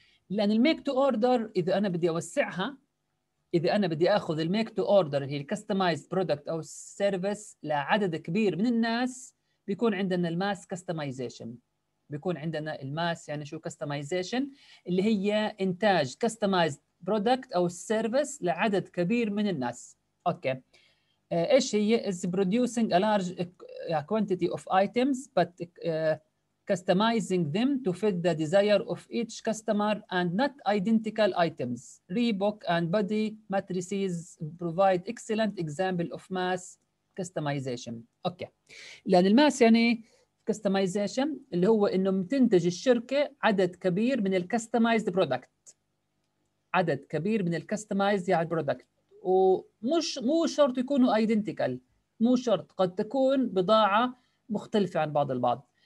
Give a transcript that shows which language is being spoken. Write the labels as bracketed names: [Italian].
[Arabic] لان الميك تو اوردر اذا انا بدي اوسعها، اذا انا بدي اخذ الميك تو اوردر اللي هي الكستمايز برودكت او سيرفيس لعدد كبير من الناس، بيكون عندنا الماس كستمايزيشن. بيكون عندنا الماس يعني شو كستمايزيشن، اللي هي انتاج كستمايز برودكت او سيرفيس لعدد كبير من الناس. اوكي، ايش هي؟ [English] is producing a large quantity of items but customizing them to fit the desire of each customer and not identical items. Reebok and Body Matrices provide excellent example of mass customization. [Arabic] اوكي، لان الماس يعني customization اللي هو انه تنتج الشركه عدد كبير من الكستمايزد برودكت، عدد كبير من الكستمايزد يعني برودكت، ومش مو شرط يكونوا ايدنتيكال، مو شرط، قد تكون بضاعه مختلفه عن بعض البعض.